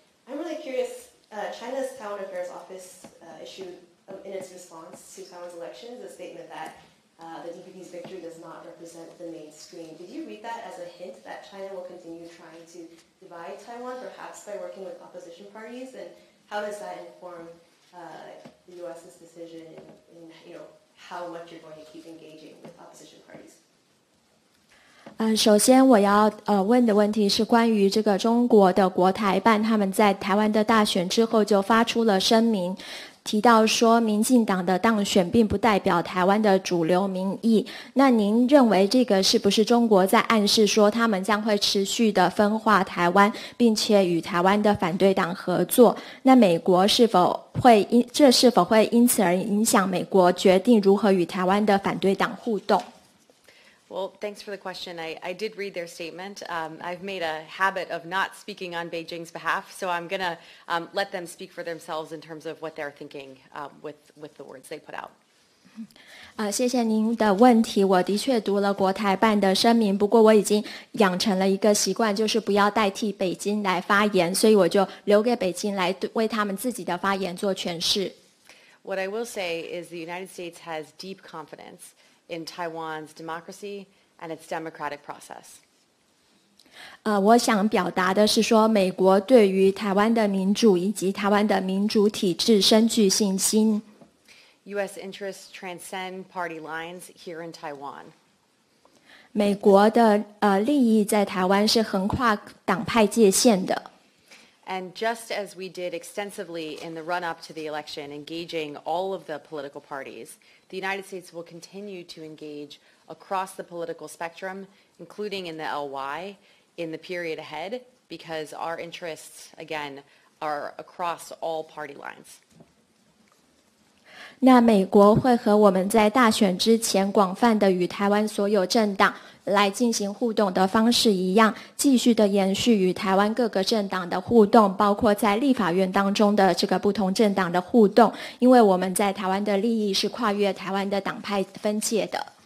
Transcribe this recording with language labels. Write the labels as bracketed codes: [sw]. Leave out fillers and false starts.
[en] I'm really curious, China's Taiwan Affairs Office issued in its response to Taiwan's elections a statement that the DPP's victory does not represent the mainstream. Did you read that as a hint that China will continue trying to divide Taiwan, perhaps by working with opposition parties? And how does that inform the U.S.'s decision in you know, how much you're going to keep engaging with opposition parties? [zh] 首先我要问的问题是关于这个中国的国台办，他们在台湾的大选之后就发出了声明，提到说民进党的当选并不代表台湾的主流民意。那您认为这个是不是中国在暗示说他们将会持续的分化台湾，并且与台湾的反对党合作？那美国是否会这是否会因此而影响美国决定如何与台湾的反对党互动？ [en] Well, thanks for the question. I did read their statement. I've made a habit of not speaking on Beijing's behalf, so I'm going to let them speak for themselves in terms of what they're thinking with the words they put out. [zh] 谢谢您的问题。我的确读了国台办的声明，不过我已经养成了一个习惯，就是不要代替北京来发言，所以我就留给北京来为他们自己的发言做诠释。 [en] What I will say is the United States has deep confidence. In Taiwan's democracy and its democratic process. [zh] 我想表达的是说，美国对于台湾的民主以及台湾的民主体制深具信心。 [en] U.S. interests transcend party lines here in Taiwan. [zh] 美国的利益在台湾是横跨党派界限的。 [en] And just as we did extensively in the run-up to the election, engaging all of the political parties, the United States will continue to engage across the political spectrum, including in the LY, in the period ahead, because our interests, again, are across all party lines. [zh] 那美国会和我们在大选之前广泛的与台湾所有政党来进行互动的方式一样，继续的延续与台湾各个政党的互动，包括在立法院当中的这个不同政党的互动，因为我们在台湾的利益是跨越台湾的党派分界的。